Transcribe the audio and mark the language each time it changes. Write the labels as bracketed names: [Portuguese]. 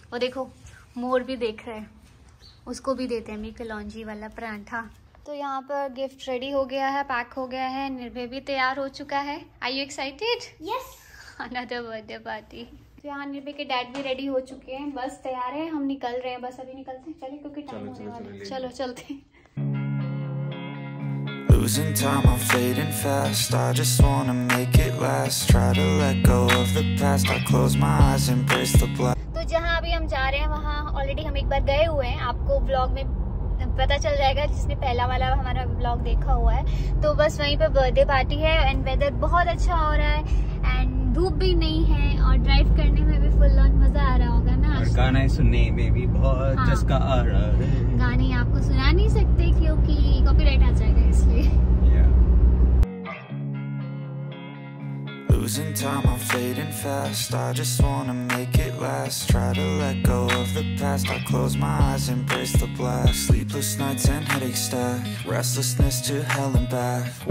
[Hindi] और देखो मोर भी देख रहे हैं, उसको भी देते हैं कलौंजी वाला पराठा। तो यहाँ पर गिफ्ट रेडी हो गया है, पैक हो गया है, निर्भय भी तैयार हो चुका है। [English] Are you excited? Yes. Another birthday party. [Hindi] तो यहाँ निर्भय के डैड भी रेडी हो चुके हैं, बस तैयार हैं, हम निकल रहे हैं, बस अभी निकलते हैं, चलिए क्योंकि टाइम हो गया है। चलो चलते हैं। [English] Losing time, I'm fading fast. I just wanna make it last. Try to let go of the past. I close my eyes, embrace the black. [Hindi] तो जहाँ अभी हम जा रहे हैं वहाँ ऑलरेडी हम एक बार गए हुए हैं, आपको व्लॉग में पता चल जाएगा जिसने पहला वाला हमारा व्लॉग देखा हुआ है। तो बस वहीं पर बर्थडे पार्टी है एंड वेदर बहुत अच्छा हो रहा है एंड धूप भी नहीं है और ड्राइव करने में भी फुल ऑन मजा आ रहा होगा ना। और गाना है सुनने में भी बहुत जसका आ रहा है। गाने आपको सुना नहीं सकते क्योंकि कॉपीराइट आ जाएगा इसलिए। [English] Losing time, I'm fading fast. I just wanna make it last. Try to let go of the past. I close my eyes, embrace the blast. Sleepless nights and headache stack. Restlessness to hell and back.